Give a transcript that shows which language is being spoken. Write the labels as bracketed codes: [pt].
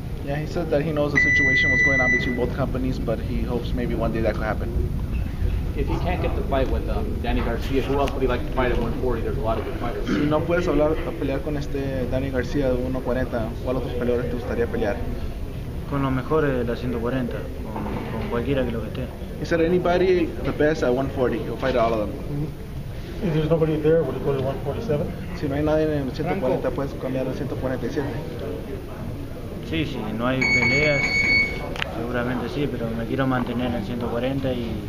[en] Yeah, he said that he knows the situation was going on between both companies, but he hopes maybe one day that could happen. If he can't get the fight with Danny Garcia, who else would he like to fight at 140? There's a lot of good fighters. [es] Si no puedes hablar a pelear con este Danny Garcia de 140, ¿cuál otros peleadores te gustaría pelear? Con los mejores de la 140, con cualquiera que lo que esté. [en] Is there anybody the best at 140? You'll fight all of them. Mm-hmm. If there's nobody there, would you go to 147? [es] Si no hay nadie en 140, puedes cambiar a 147. Sí, sí, no hay peleas, seguramente sí, pero me quiero mantener en 140 y...